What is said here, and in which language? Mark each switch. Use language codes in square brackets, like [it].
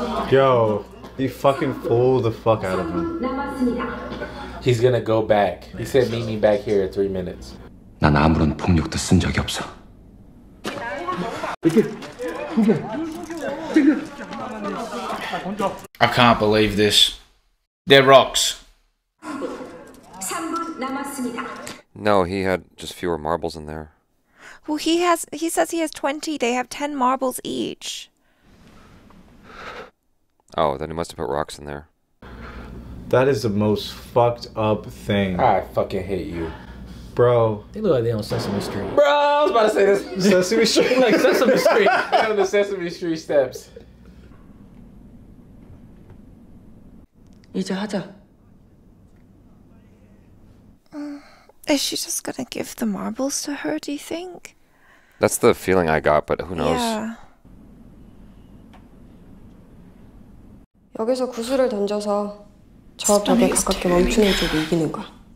[en] Yo, you fucking fooled the fuck out of him. He's gonna go back. He said meet me back here in 3 minutes. [ko] 난 아무런 폭력도 쓴 적이 없어. [en] I can't believe this. They're rocks. No, he had just fewer marbles in there. Well, he says he has 20. They have 10 marbles each. Oh, then he must have put rocks in there. That is the most fucked up thing. I fucking hate you. Bro. They look like they're on Sesame Street. Bro, I was about to say this. Sesame Street? Like Sesame Street. They're on the Sesame Street steps. [ko] 이제 하자. [en] Is she just gonna give the marbles to her, do you think? That's the feeling I got, but who knows? Yeah. [ko] 여기서 구슬을 던져서 저쪽에 가깝게 멈추는 쪽을 이기는 거야.